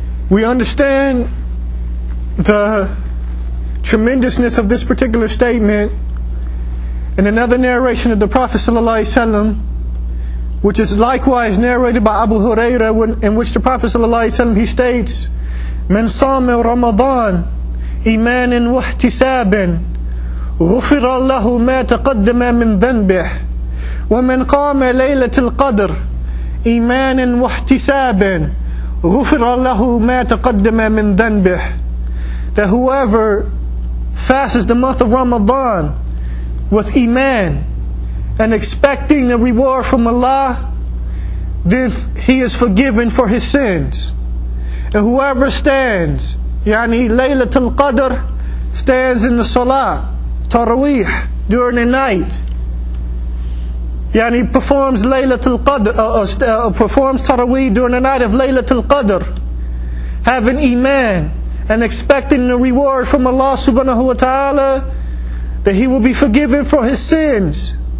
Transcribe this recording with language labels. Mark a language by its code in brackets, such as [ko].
[en] We understand the tremendousness of this particular statement in another narration of the Prophet sallallahu alaihi wasallam, which is likewise narrated by Abu Hurairah, in which the Prophet sallallahu alaihi wasallam he states [ar] من صام رمضان إيمان واحتساب غفر الله ما تقدم من ذنبه ومن قام ليلة القدر إيمان واحتساب غفر الله ما تقدم من ذنبه. [en] That whoever fasts the month of Ramadan with Iman and expecting a reward from Allah, then he is forgiven for his sins. And whoever stands, yani Laylatul Qadr, stands in the Salah, Tarawih, during the night, yani performs Laylatul Qadr, performs Tarawih during the night of Laylatul Qadr, having Iman and expecting the reward from Allah subhanahu wa ta'ala, that he will be forgiven for his sins.